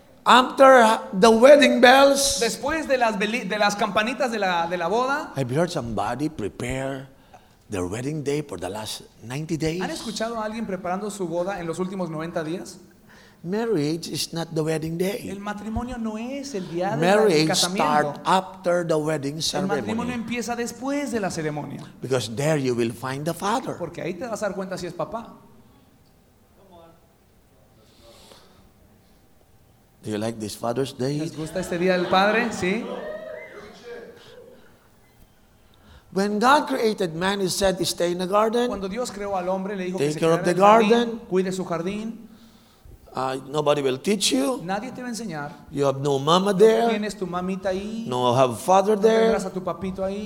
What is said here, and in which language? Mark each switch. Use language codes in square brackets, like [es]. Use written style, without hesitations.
[en] After the wedding bells. [es] Después de las campanitas de la boda. [en] Have you heard somebody prepare their wedding day for the last 90 days? [es] ¿Han escuchado a alguien preparando su boda en los últimos 90 días? [en] Marriage is not the wedding day. [es] El matrimonio no es el día del casamiento. [en] Marriage starts after the wedding ceremony. [es] El matrimonio empieza después de la ceremonia. [en] Because there you will find the father. [es] Porque ahí te vas a dar cuenta si es papá. [en] Do you like this Father's Day? [es] ¿Les gusta este día del padre? Sí. [en] When God created man, he said, "Stay in the garden." [es] Cuando Dios creó al hombre, le dijo, [en] "Take care of the garden." [es] Cuide su jardín. [en] Nobody will teach you. [es] Nadie te va a enseñar. [en] You have no mama there. [es] Tienes tu mamita ahí. [en] No have father there. [es] No tendrás a tu papito ahí.